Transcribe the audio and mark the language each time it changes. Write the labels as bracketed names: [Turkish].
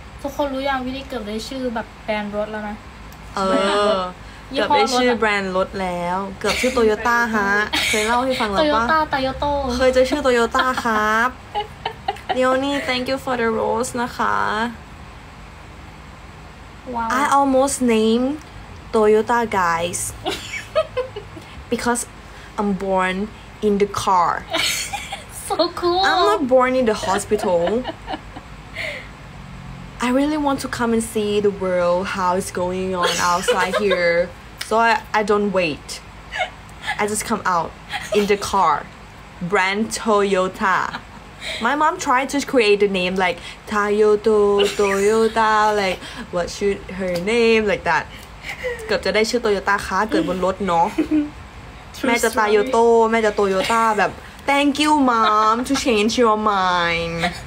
[Thai] ทุกคนรู้ยังวินี่เกือบได้ชื่อแบบแบรนด์รถแล้วนะ เกือบได้ชื่อแบรนด์รถแล้วเกือบชื่อโตโยต้าฮะเคยเล่าให้ฟังหรือว่า โตโยต้าโตโยต้า เคยจะชื่อโตโยต้าครับเดี๋ยวนี้ [English] thank you for the rose [Thai] นะคะ [English] wow. I almost named Toyota guys because I'm born in the car so cool I'm not born in the hospital I really want to come and see the world how it's going on outside here so I don't wait I just come out in the car brand Toyota My mom tried to create a name like Toyota, Toyota, like what should her name like that. [Thai] เกือบจะได้ชื่อ Toyota ค่ะเกิดบนรถเนาะแม่จะ Toyota แม่จะ Toyota แบบ [English] Thank you mom to change your mind.